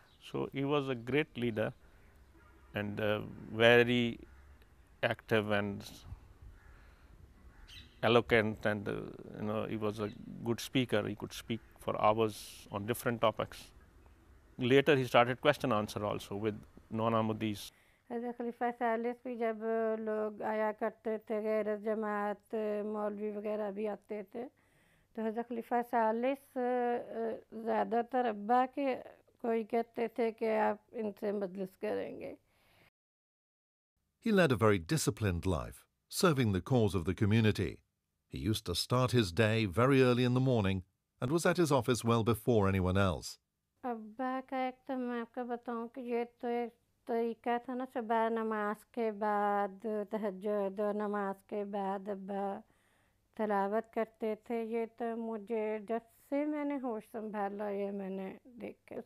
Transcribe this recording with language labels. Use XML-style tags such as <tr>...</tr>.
<en>So he was a great leader and very active and eloquent and he was a good speaker. He could speak for hours on different topics. Later he started question answer also with non-Ahmadis.</en> <ur>حضرت خلیفہ ثالث بھی جب لوگ آیا کرتے تھے غیر جماعت مولوی وغیرہ بھی آتے تھے تو حضرت خلیفہ ثالث زیادہ تر ابا کے کوئی کہتے تھے کہ آپ ان سے مجلس کریں گے.</ur> <en>He led a very disciplined life, serving the cause of the community. He used to start his day very early in the morning and was at his office well before anyone else.</en> <ur>ابا کا ایک تو میں آپ کو بتاؤں کہ یہ تو طریقہ تھا نا, صبح نماز کے بعد تہجد اور نماز کے بعد ابا تلاوت کرتے تھے. یہ تو مجھے جب سے میں نے ہوش سنبھالا یہ میں نے دیکھا.</ur>